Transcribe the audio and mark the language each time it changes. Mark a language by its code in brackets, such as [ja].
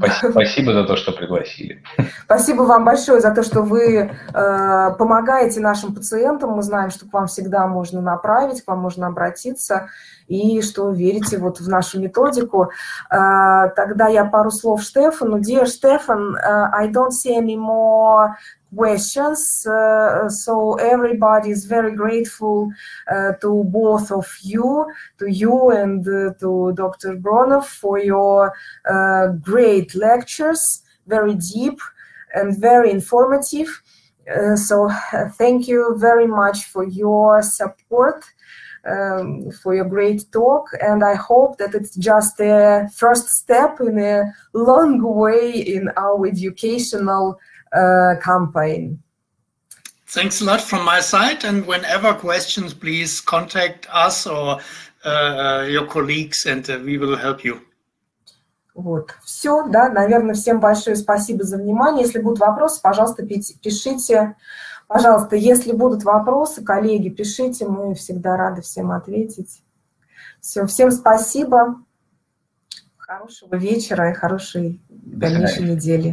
[ru] Спасибо за то, что пригласили. Спасибо вам большое за то, что вы помогаете нашим пациентам. Мы знаем, что к вам всегда можно направить, к вам можно обратиться, и что верите вот в нашу методику. Тогда я пару слов Штефану. [en] Dear Stefan, I don't see any more questions, so everybody is very grateful to both of you, to you and to Dr. Bronov for your great lectures, very deep and very informative. So thank you very much for your support, for your great talk, and I hope that it's just a first step in a long way in our educational campaign. Thanks a lot from my side, and whenever questions, please contact us or your colleagues, and we will help you. [ru] Вот, все, да, наверное, всем большое спасибо за внимание. Если будут вопросы, пожалуйста, пишите. Пожалуйста, если будут вопросы, коллеги, пишите, мы всегда рады всем ответить. Все, всем спасибо. Хорошего вечера и хорошей дальнейшей недели.